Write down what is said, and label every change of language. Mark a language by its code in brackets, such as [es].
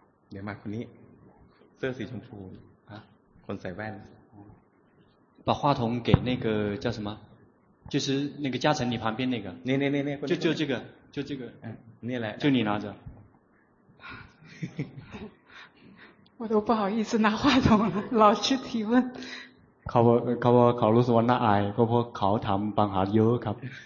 [th] เดี๋ยวมาคนนี้เสื้อสีชมพูคนใส่แว่น [zh] 把话筒给那个叫什么就是那个嘉诚你旁边那个那就这个那就你拿着我都不好意思拿话筒了，老去提问。 [th] เขาเขารู้สึกว่าน่าอายก็เพราะเขาทำปัญหาเยอะครับ